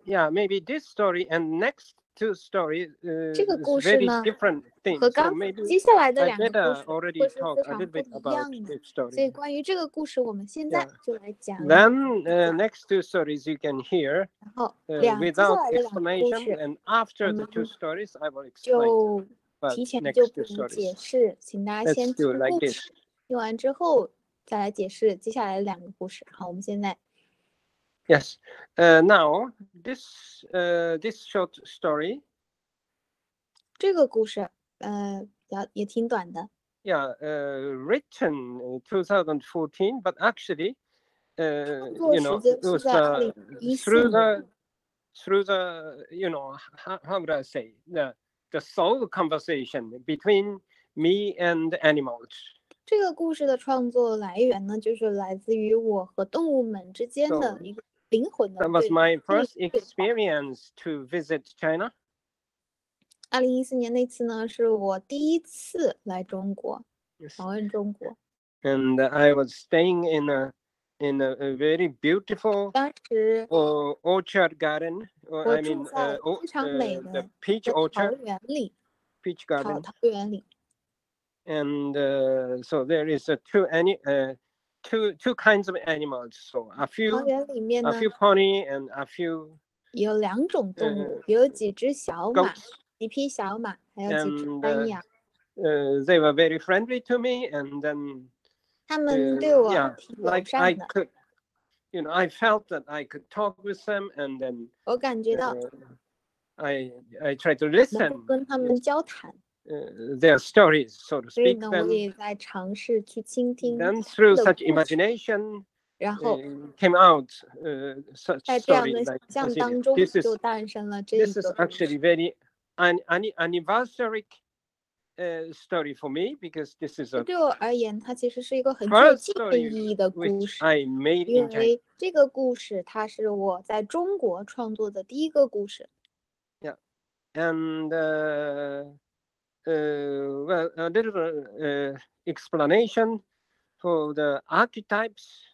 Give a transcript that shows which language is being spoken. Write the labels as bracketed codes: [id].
[en] Maybe this story and next two stories, [zh] 这个故事呢 [en] very different things. [zh] 和刚、 [en] so、maybe [zh] 接下来的两个故事会是非常不一样的。所以关于这个故事，我们现在就来讲。 [en] Yeah. Then next two stories you can hear. [zh] 然后两接下来的两个故事 [en] ，and after the two stories, I will explain. [zh] 就提前就不能解释，请大家先听故事， [en] like、 [zh] 听完之后再来解释接下来的两个故事。好，我们现在。 [en] Yes. Now this this short story. [zh] 这个故事，也挺短的。 [en] Yeah. Written 2014, but actually, you know, it was through the you know how would I say the soul conversation between me and animals. [zh] 这个故事的创作来源呢，就是来自于我和动物们之间的一个。灵魂的。 [en] That was my first experience to visit China. [zh] 2014年那次呢，是我第一次来中国，访问中国。 [en] And I was staying in a very beautiful orchard garden. I mean, the peach orchard. Peach garden. [zh] 桃园里。 [en] And so there is two kinds of animals. So a few pony and a few. [zh] 有两种动物，有几只小马，几匹小马，还有几只斑羊。 [en] They were very friendly to me, and then. [zh] 他们对我挺友善的。 [en] Like I could, you know, I felt that I could talk with them, and then. [zh] 我感觉到。 [en] I tried to listen. [zh] 能够跟他们交谈。 [en] Their stories, so to speak. [zh] 所以呢，我也在尝试去倾听。 [en] Then through such imagination, [zh] 然后 [en] came out such story. [zh] 在这样的想象当中，就诞生了这一个。 [en] This is actually very anniversary story for me because this is a. [zh] 对我而言，它其实是一个很具有纪念意义的故事。因为这个故事，它是我在中国创作的第一个故事。 [en] Yeah, and. Well, a little explanation for the archetypes.